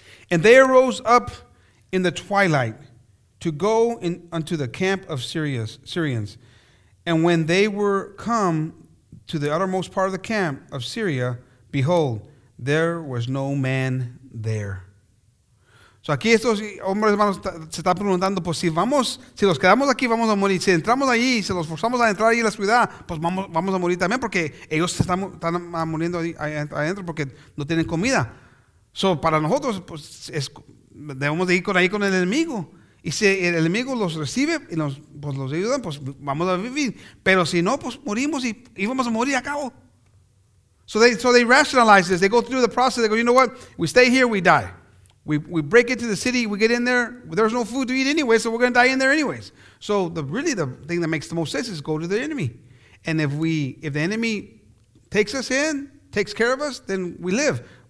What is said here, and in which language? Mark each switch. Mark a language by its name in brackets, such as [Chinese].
[English] And they arose up in the twilight to go unto the camp of Syrians. And when they were come to the uttermost part of the camp of Syria, behold, there was no man there. [Spanish] So aquí estos hombres, hermanos, se están preguntando, pues si los quedamos aquí, vamos a morir. Si entramos ahí y se los forzamos a entrar ahí en la ciudad, pues vamos a morir también porque ellos están muriendo ahí adentro porque no tienen comida. So para nosotros, pues debemos de ir con ahí con el enemigo. Y si el enemigo los recibe y los ayudan, pues vamos a vivir. Pero si no, pues morimos y vamos a morir a cabo. [English] So they rationalize this. They go through the process. They go, you know what? We stay here, we die. We break into the city, we get in there, there's no food to eat anyway, so we're going to die in there anyways. So the thing that makes the most sense is go to the enemy. And if the enemy takes us in, takes care of us, then we live.